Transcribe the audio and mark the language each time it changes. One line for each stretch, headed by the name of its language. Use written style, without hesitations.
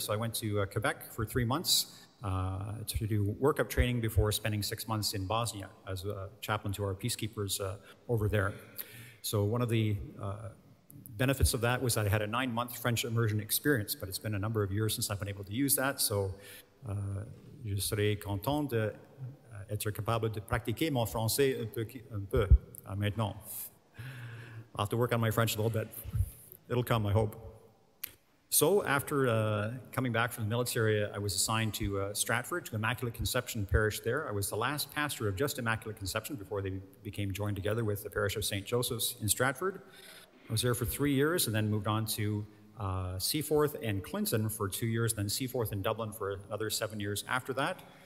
English: So I went to Quebec for 3 months to do workup training before spending 6 months in Bosnia as a chaplain to our peacekeepers over there. So one of the benefits of that was that I had a 9-month French immersion experience, but it's been a number of years since I've been able to use that.
French: So je serai content d'être capable de pratiquer mon français un peu maintenant.
English: I'll have to work on my French a little bit. It'll come, I hope. So after coming back from the military, I was assigned to Stratford, to Immaculate Conception Parish there. I was the last pastor of just Immaculate Conception before they became joined together with the parish of St. Joseph's in Stratford. I was there for 3 years and then moved on to Seaforth and Clinton for 2 years, then Seaforth and Dublin for another 7 years after that.